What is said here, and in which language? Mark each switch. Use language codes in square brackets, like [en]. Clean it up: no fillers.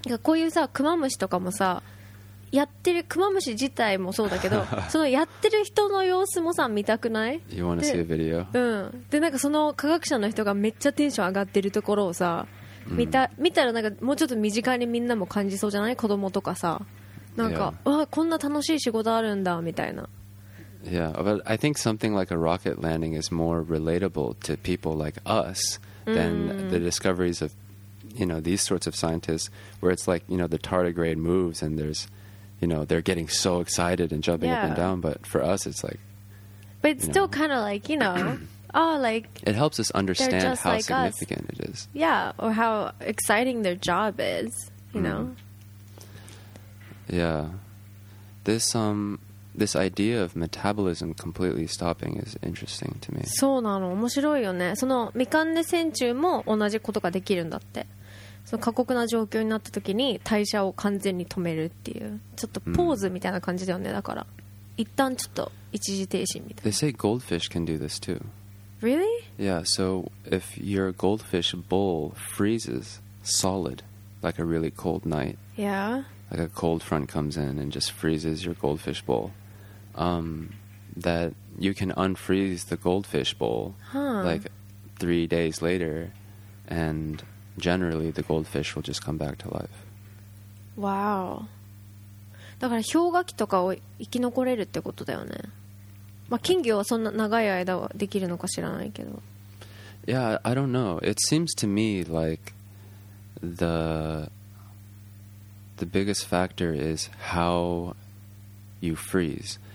[ja] こういうさ、クマムシとかもさ、やってる、クマムシ自体もそうだけど、そのやってる人の様子もさ、見たくない? [en] You want to see a video? [ja] うん。で、なんかその科学者の人がめっちゃテンション上がってるところをさ、見たらなんかもうちょっと身近にみんなも感じそうじゃない子供とかさなんか、 [en] yeah. [ja] わこんな楽しい仕事あるんだみたいな [en] Yeah, but I think something like a rocket landing is more relatable to people like us than the discoveries of you know, these sorts of scientists where it's like, you know, the tardigrade moves and there's, you know, they're getting so excited and jumping、 yeah. up and down but for us it's like But it's still kind of like, you know Oh, like, it helps us understand how、 like、 significant、 us. it is. Yeah, or how exciting their job is, you、mm-hmm. know? Yeah. This idea of metabolism completely stopping is interesting to me. [ja] そうなの。面白いよね。そのミカンネ線虫も同じことができるんだって。その過酷な状況になった時に代謝を完全に止めるっていう。ちょっとポーズみたいな感じだよね。だから、一旦ちょっと一時停止みたいな。 [en] They say goldfish can do this too. Really? Yeah, so if your goldfish bowl freezes solid, like a really cold night, yeah, like a cold front comes in and just freezes your goldfish bowl, that you can unfreeze the goldfish bowl, huh. like 3 days later, and generally the goldfish will just come back to life. Wow. [ja] だから氷河期とかを生き残れるってことだよね。まあ、金魚はそんな長い間はできるのか知らないけど。 [en] Yeah, I don't know. It seems to me like the biggest factor is how you freeze.